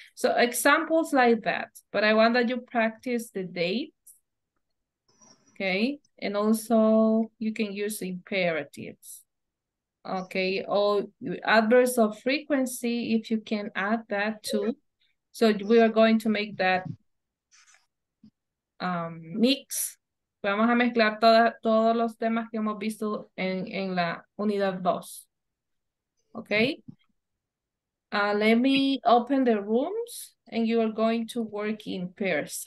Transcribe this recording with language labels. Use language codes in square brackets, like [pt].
[en] So examples like that, but I want that you practice the date, okay? And also you can use imperatives, okay? Or adverbs of frequency, if you can add that too. So we are going to make that mix. [es] Vamos a mezclar todos los temas que hemos visto en la unidad 2. [en] Okay? Let me open the rooms and you are going to work in pairs.